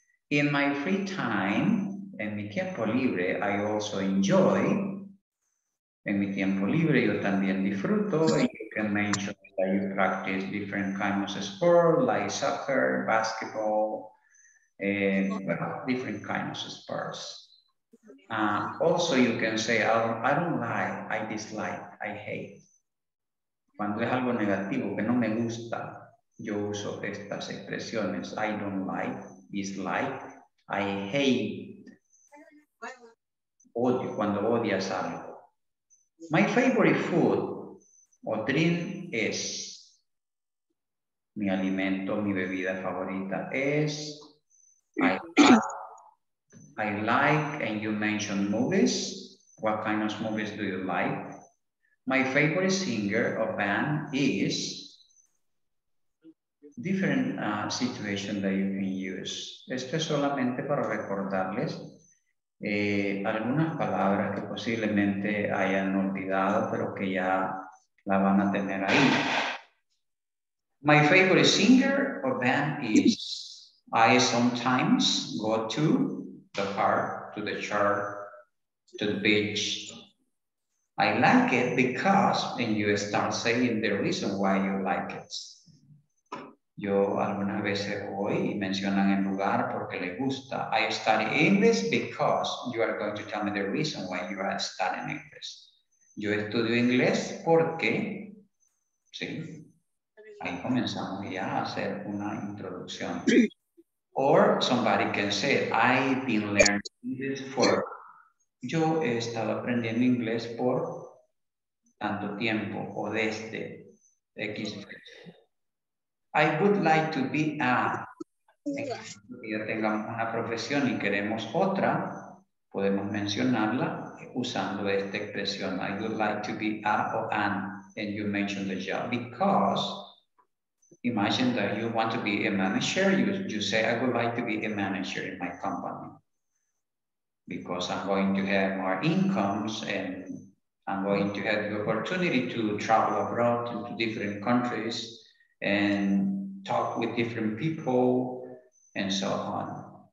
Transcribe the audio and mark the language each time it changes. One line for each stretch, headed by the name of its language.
English: In my free time,
Spanish: en mi tiempo libre,
English: I also enjoy,
Spanish: en mi tiempo libre yo también disfruto.
English: You can mention that you practice different kinds of sport, like soccer, basketball, different kinds of sports. Also, you can say, I dislike, I hate.
Spanish: Cuando es algo negativo, que no me gusta, yo uso estas expresiones.
English: I don't like, dislike, I hate.
Spanish: Odio, cuando odias algo.
English: My favorite food or drink is.
Spanish: Mi alimento, mi bebida favorita es.
English: I like, and you mentioned movies. What kind of movies do you like? My favorite singer or band is. Different situation that you can use.
Spanish: Esto es solamente para recordarles algunas palabras que posiblemente hayan olvidado, pero que ya la van a tener ahí.
English: My favorite singer or band is. I sometimes go to the park, to the church, to the beach. I like it because, and you start saying the reason why you like it.
Spanish: Yo algunas veces voy y mencionan el lugar porque le gusta.
English: I study English because you are going to tell me the reason why you are studying English.
Spanish: Yo estudio inglés porque ¿sí? Ahí comenzamos ya a hacer una introducción.
English: Or somebody can say, I've been learning this for.
Spanish: Yo he estado aprendiendo inglés por tanto tiempo o desde X.
English: I would like to be a.
Spanish: Si ya tengamos una profesión y queremos otra, podemos mencionarla usando esta expresión.
English: I would like to be a or an. And you mention the job because. Imagine that you want to be a manager. You say, I would like to be a manager in my company because I'm going to have more incomes and I'm going to have the opportunity to travel abroad into different countries and talk with different people and so on.